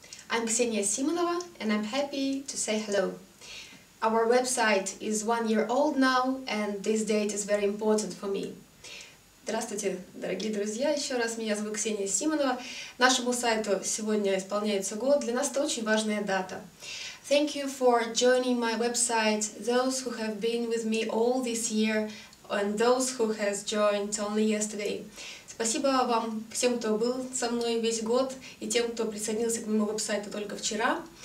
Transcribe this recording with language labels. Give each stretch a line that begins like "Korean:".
English: I'm Ksenia Simonova, and I'm happy to say hello. Our website is 1 year old now, and this date is very important for me.
Russian: Здравствуйте, дорогие друзья. Еще раз, меня зовут Ксения Симонова. Нашему сайту сегодня исполняется год. Для нас это очень важная дата.
English: Thank you for joining my website, those who have been with me all this year, and those who has joined only yesterday.
Russian: Спасибо вам всем, кто был со мной весь год, и тем, кто присоединился к моему веб-сайту только вчера.